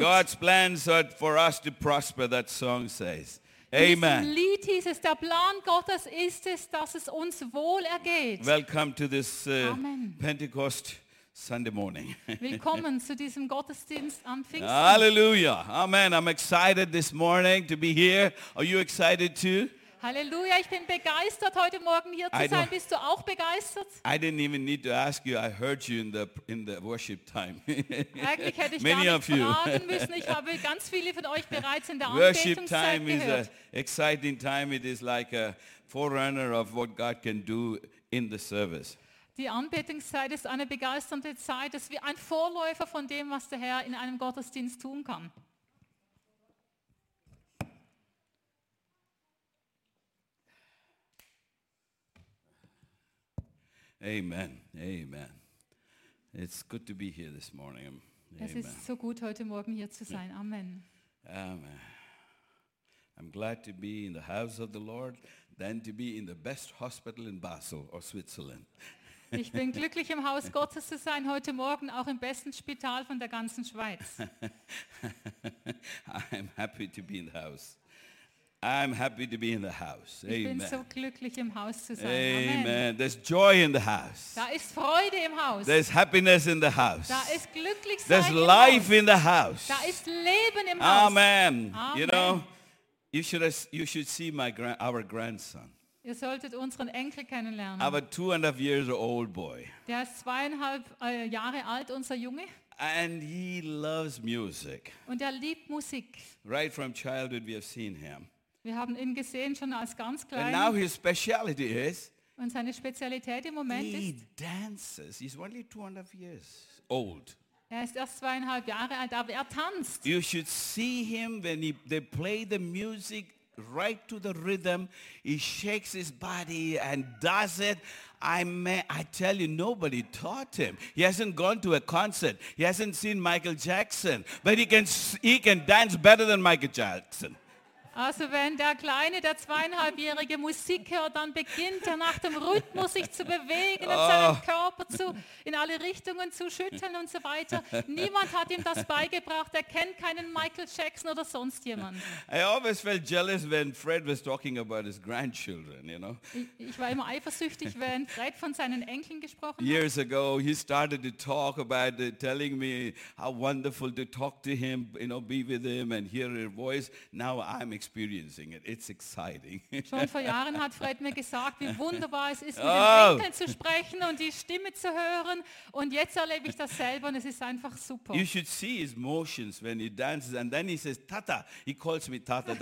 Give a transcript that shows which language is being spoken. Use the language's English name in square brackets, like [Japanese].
[English] God's plans are for us to prosper, that song says. Amen. [German] Das Lied hieß es, der Plan Gottes ist es, dass es uns wohl ergeht. [English] Welcome to this Pentecost Sunday morning. [German] Willkommen zu diesem Gottesdienst am Pfingsten. [English] Hallelujah. Amen. I'm excited this morning to be here. Are you excited too? Hallelujah. [German] Ich bin begeistert heute Morgen hier zu sein. Bist du auch begeistert? [English] I didn't even need to ask you. I heard you in the worship time. [German] Eigentlich hätte ich gar nicht fragen müssen. Ich habe ganz viele von euch bereits in der Anbetungszeit gehört. [English] Worship time is an exciting time. It is like a forerunner of what God can do in the service. [German] Die Anbetungszeit ist eine begeisternde Zeit. Es ist wie ein Vorläufer von dem, was der Herr in einem Gottesdienst tun kann. [English] Amen. Amen. It's good to be here this morning. Amen. [German] Es ist so gut, heute Morgen hier zu sein. Amen. Amen. [English] I'm glad to be in the house of the Lord than to be in the best hospital in Basel or Switzerland. [German] Ich bin glücklich, im Haus Gottes zu sein, heute Morgen auch im besten Spital von der ganzen Schweiz. [English] I'm happy to be in the house. I'm happy to be in the house. Amen. [German] Ich bin so glücklich, im Haus zu sein. Amen. Amen. [English] There's joy in the house. [German] Da ist Freude im Haus. [English] There's happiness in the house. [German] Da ist Glücklichsein. [English] There's life in the house. [German] Da ist Leben im Haus. Amen. [English] Amen. You know, you should see our grandson. [German] Ihr solltet unseren Enkel kennenlernen. [English] Our 2.5-year-old boy. [German] Der ist 2.5 Jahre alt, unser Junge. [English] And he loves music. [German] Und er liebt Musik. [English] Right from childhood we have seen him. [German] Wir haben ihn gesehen schon als ganz klein. [English] And now his speciality is. [German] Und seine Spezialität im Moment [English] he [German] ist. [English] He dances. He's only 2.5 years old. [German] Er ist erst 2.5 Jahre alt, aber er tanzt. [English] You should see him when they play the music right to the rhythm. He shakes his body and does it. I tell you, nobody taught him. He hasn't gone to a concert. He hasn't seen Michael Jackson. But he can dance better than Michael Jackson. [German] Also wenn der Kleine, der 2.5-Jährige Musik hört, dann beginnt er nach dem Rhythmus sich zu bewegen und seinen Körper in alle Richtungen zu schütteln und so weiter. Niemand hat ihm das beigebracht. Er kennt keinen Michael Jackson oder sonst jemand. [English] I always felt jealous when Fred was talking about his grandchildren, you know. [German] Ich war immer eifersüchtig, wenn Fred von seinen Enkeln gesprochen [English] years [German] hat. [English] Years ago, he started to talk about telling me how wonderful to talk to him, you know, be with him and hear his voice. Now I'm experiencing it. It's exciting. [German] Schon vor Jahren hat Fred mir gesagt, wie wunderbar es ist, mit den Enkeln zu sprechen und die Stimme zu hören. Und jetzt erlebe ich das selber und es ist einfach super. [English] You should see his motions when he dances. And then he says, Tata, he calls me Tata.